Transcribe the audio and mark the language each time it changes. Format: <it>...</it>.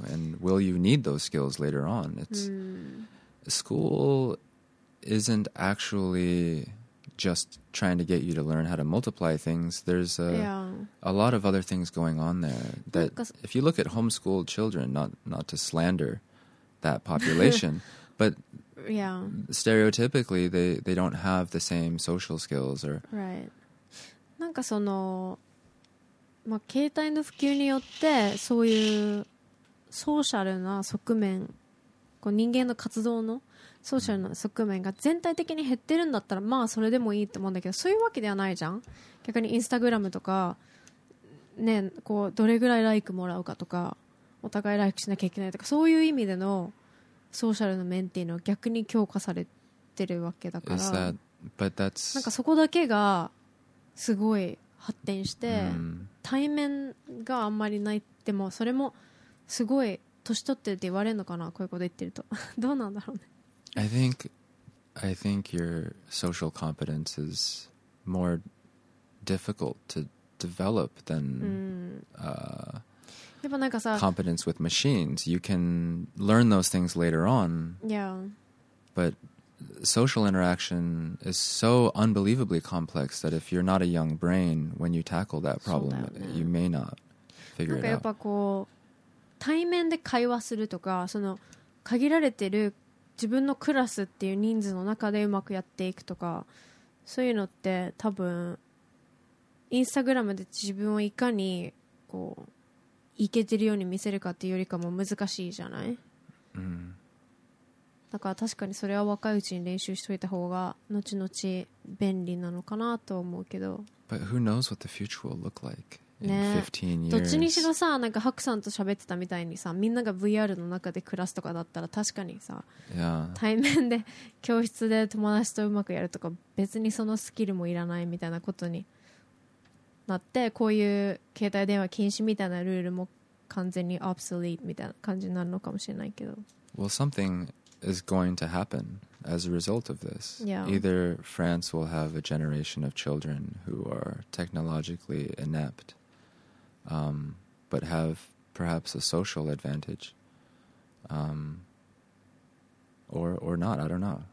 <en>And will you need those skills later on? It's School isn't actually just trying to get you to learn how to multiply things. There's a lot of other things going on there. That if you look at homeschooled children, not to slander that population. But yeah, stereotypically, they don't have the same social skills. Or right.</en> <ja>なんかそのまあ携帯の普及によってそういうソーシャルな側面、こう人間の活動のソーシャルな側面が全体的に減ってるんだったらまあそれでもいいと思うんだけど、そういうわけではないじゃん。逆にインスタグラムとかね、こうどれぐらいライクもらうかとか、お互いライクしなきゃいけないとか、そういう意味でのソーシャルの面っていうのは逆に強化されてるわけだから。</ja> <en>Is that, but that's...</en> <ja>なんかそこだけがすごい発展して、対面があんまりないってもそれもすごい年取ってるって言われるのかな、こういうこと言ってるとどうなんだろうね。</ja> <en>I think your social competence is more difficult to develop than</en> <ja>やっぱなんかさ</ja> <en>competence with machines. You can learn those things later on. Yeah. But social interaction is so unbelievably complex that if you're not a young brain when you tackle that problem, you may not figure it out.</en> <ja>なんかやっぱこう対面で会話するとか、その限られてる自分のクラスっていう人数の中でうまくやっていくとか、そういうのって多分インスタグラムで自分をいかにこうイケてるように見せるかっていうよりかも難しいじゃない、だから確かにそれは若いうちに練習しといた方が後々便利なのかなと思うけど。</ja> <en>But who knows what the future will look like in 15 years.</en> <ja>どっちにしろさ、なんかハクさんと喋ってたみたいにさ、みんなが VR の中で暮らすとかだったら確かにさ、対面で教室で友達とうまくやるとか別にそのスキルもいらないみたいなことになって、こういう携帯電話禁止みたいなルールも完全にオプソリートみたいな感じになるのかもしれないけど。</ja> <en>Well, something is going to happen as a result of this. Yeah. Either France will have a generation of children who are technologically inept, but have perhaps a social advantage, or not, I don't know.</en>